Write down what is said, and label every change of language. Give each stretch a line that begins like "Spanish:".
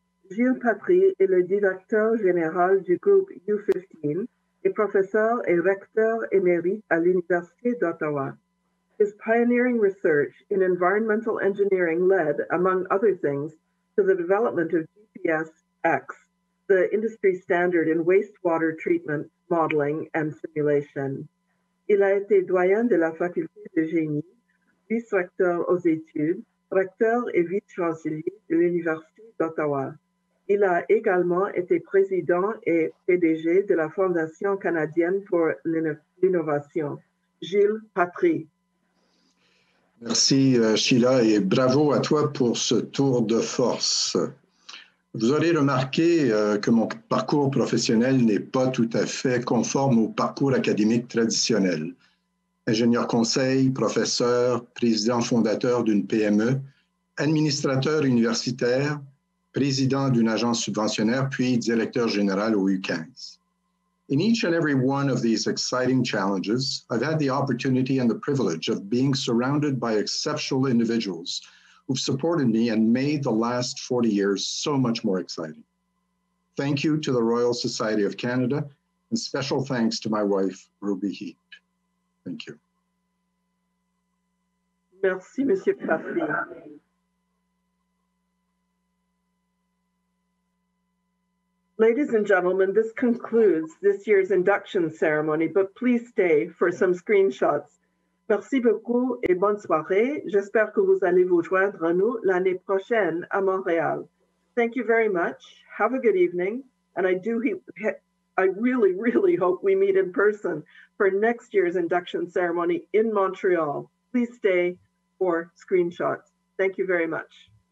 French: Gilles Patry est le directeur général du groupe U15 et professeur et recteur émérite à l'Université d'Ottawa.
English: His pioneering research in environmental engineering led, among other things, to the development of GPS-X, the industry standard in wastewater treatment, modeling, and simulation.
French: Il a été doyen de la faculté de génie, vice-recteur aux études, recteur et vice-chancelier de l'Université d'Ottawa. Il a également été président et PDG de la Fondation canadienne pour l'innovation. Gilles Patry. Merci, Sheila, et bravo à toi pour ce tour de force. Vous aurez remarqué que mon parcours professionnel n'est pas tout à fait conforme au parcours académique traditionnel. Ingénieur conseil, professeur, président fondateur d'une PME, administrateur universitaire, président d'une agence subventionnaire, puis directeur général au U15.
English: In each and every one of these exciting challenges, I've had the opportunity and the privilege of being surrounded by exceptional individuals who've supported me and made the last 40 years so much more exciting. Thank you to the Royal Society of Canada, and special thanks to my wife, Ruby Heap. Thank you.
French: Merci, Monsieur Patry.
English: Ladies and gentlemen, this concludes this year's induction ceremony, but please stay for some screenshots.
French: Merci beaucoup et bonne soirée. J'espère que vous allez vous joindre à nous l'année prochaine à Montréal.
English: Thank you very much. Have a good evening. And I really hope we meet in person for next year's induction ceremony in Montreal. Please stay for screenshots. Thank you very much.